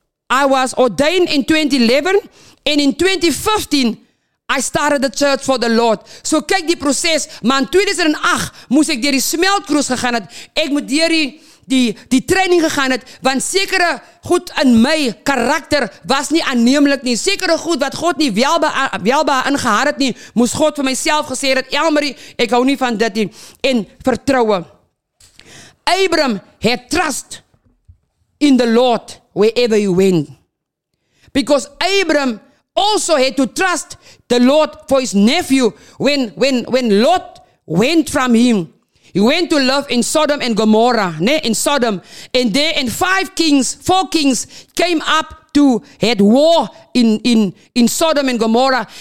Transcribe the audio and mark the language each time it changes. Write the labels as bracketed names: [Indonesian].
[English] I was ordained in 2011, and in 2015 I started the church for the Lord. [Afrikaans] So kyk die proses, maar in 2008 moes ek deur die smeltkroes gegaan het. Ek moet deur die training gegaan het, want sekere goed in my karakter was nie aanneemlik nie. Sekere goed wat God nie welbe ingehard het nie, moes God vir myself gesê het, Elmarie, ek hou nie van dit nie. En vertroue. [English] Abram had trust in the Lord wherever he went. Because Abram also had to trust the Lord for his nephew when Lot went from him. He went to live in Sodom and Gomorrah, in Sodom. And there, and four kings came up to had war in Sodom and Gomorrah.